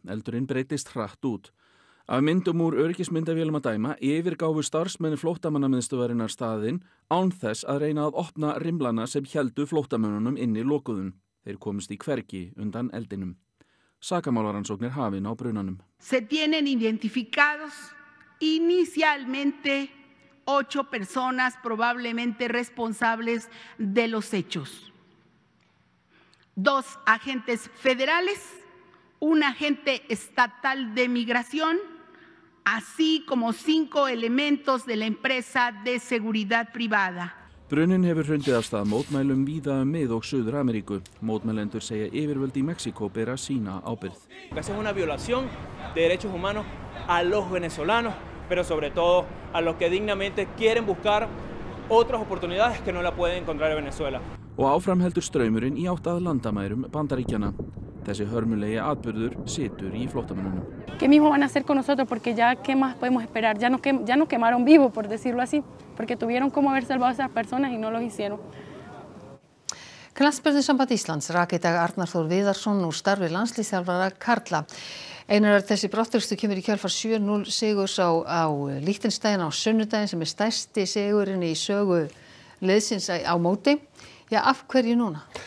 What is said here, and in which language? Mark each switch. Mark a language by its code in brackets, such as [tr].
[is] Eldurinn breytist hratt út. Af myndum úr öryggismyndavélum að dæma yfirgáfu starfsmenn flóttamannamiðstöðvarinnar staðinn án þess að reyna að opna rimlana sem héldu flóttamönnunum inn í lokuðum. Þeir komust í hvergi undan eldinum. Sakamálarannsóknir hafin á brunanum. [es] Se tienen identificados inicialmente 8 personas probablemente responsables de los hechos. 2 agentes federales, un agente estatal de migración así como 5 elementos de la empresa de seguridad privada. [is] Brunin hefur hrundið af stað mótmælum víða Mið- og Suður-Ameríku. Mótmælendur segja yfirvöld í Mexíkó bera sína ábyrgð. [es] Es una violación de derechos humanos a los venezolanos, pero sobre todo a los que dignamente quieren buscar otras oportunidades que no la pueden encontrar en Venezuela. [is] Og áfram heldur straumurinn í átt að landamærum Bandaríkjanna. Þessi hörmulegi atburður situr í flóttamönnunum. [es] ¿Qué mismo van a hacer con nosotros? Porque ya qué más podemos esperar. Ya no quemaron vivo, por decirlo así, porque tuvieron como haber salvado a esas personas y no los hicieron. [is] Knattspyrnusamband Íslands rak í dag Arnar Þór Viðarsson úr starfi landsliðsþjálfara Karla. Einar Örn, þessi brottrekstur kemur í kjölfar 7-0 sigurs á Liechtenstein á sunnudaginn sem stærsti sigurinn í sögu liðsins á móti. Já, af hverju núna?